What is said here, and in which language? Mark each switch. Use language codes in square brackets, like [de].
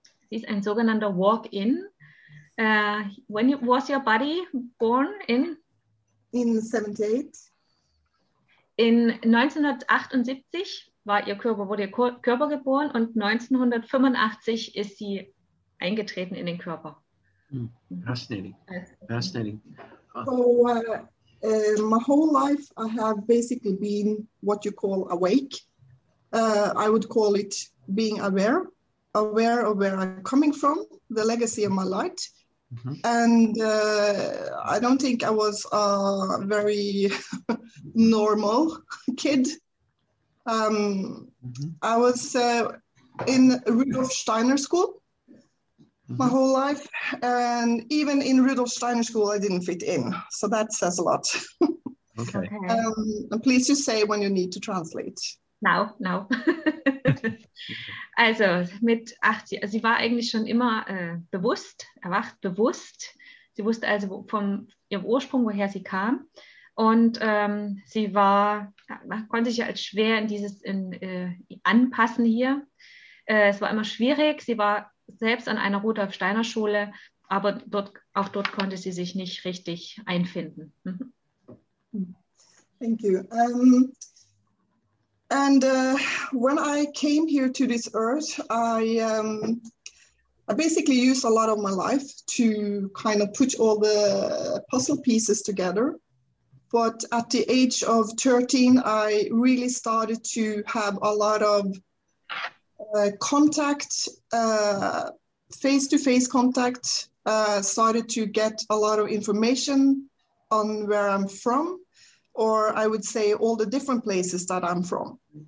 [de] Sie ist ein sogenannter Walk-in. [en] When was your body born in? In 78. [de] In 1978 wurde ihr Körper geboren und 1985 ist sie eingetreten in den Körper. [en] Fascinating. So my whole life I have basically been what you call awake. I would call it being aware of where I'm coming from, the legacy of my light, And I don't think I was a very normal kid. I was in Rudolf Steiner school my whole life. And even in Rudolf Steiner school, I didn't fit in. So that says a lot. Okay. And please just say when you need to translate. No. [de] Also mit 8 Jahren, sie war eigentlich schon immer erwacht bewusst. Sie wusste also von ihrem Ursprung, woher sie kam. Und sie war, konnte sich als schwer in dieses anpassen hier. Es war immer schwierig. Sie war selbst an einer Rudolf-Steiner-Schule, aber dort konnte sie sich nicht richtig einfinden. [en] Thank you. And when I came here to this earth, I basically used a lot of my life to kind of put all the puzzle pieces together. But at the age of 13, I really started to have a lot of contact, face-to-face contact, started to get a lot of information on where I'm from, or I would say all the different places that I'm from.